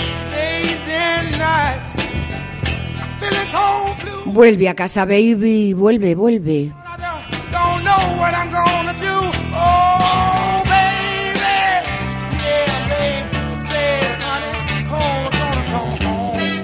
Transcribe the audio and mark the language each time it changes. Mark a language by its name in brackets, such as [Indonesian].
[English] Days and nights, feeling so blue. [Spanish] Vuelve a casa, baby, vuelve, vuelve. [English] Don't know what I'm gonna do. Oh, baby, yeah, baby, said honey, oh, I'm gonna come home.